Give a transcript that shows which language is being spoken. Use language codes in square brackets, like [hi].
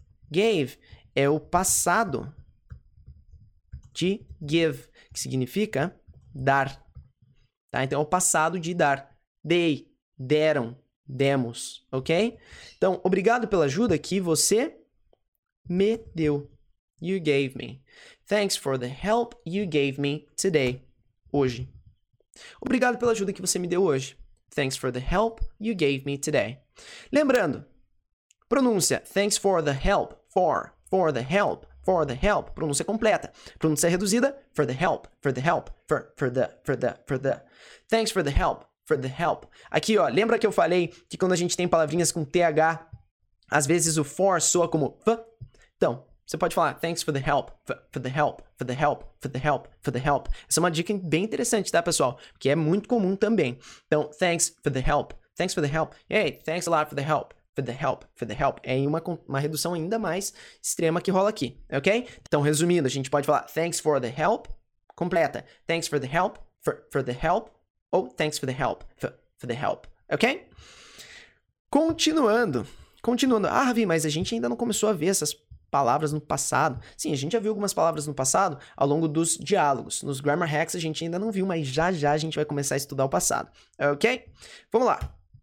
[pt] Gave é o passado de give, que significa dar, tá? Então, é o passado de dar. Dei, deram, demos, ok? Então, obrigado pela ajuda que você me deu. [en] You gave me. Thanks for the help you gave me today. [pt] Hoje. Obrigado pela ajuda que você me deu hoje. [en] Thanks for the help you gave me today. [pt] Lembrando, pronúncia. [en] Thanks for the help. For the help. [pt] Pronúncia completa. Pronúncia reduzida. [en] For the help. For the. Thanks for the help. For the help. [pt] Aqui, ó, lembra que eu falei que quando a gente tem palavrinhas com TH, às vezes o for soa como F? Então, você pode falar [en] thanks for the help. For the help. [pt] Essa é uma dica bem interessante, tá, pessoal? Que é muito comum também. Então, [en] thanks for the help. Thanks for the help. Hey, thanks a lot for the help. For the help. [pt] É uma redução ainda mais extrema que rola aqui, ok? Então, resumindo, a gente pode falar [en] thanks for the help, [pt] completa. [en] Thanks for the help, for the help. Ou thanks for the help, for the help, ok? [pt] Continuando. Ah, Ravi, mas a gente ainda não começou a ver essas palavras no passado. Sim, a gente já viu algumas palavras no passado ao longo dos diálogos. Nos Grammar Hacks a gente ainda não viu, mas já a gente vai começar a estudar o passado, ok? Vamos lá.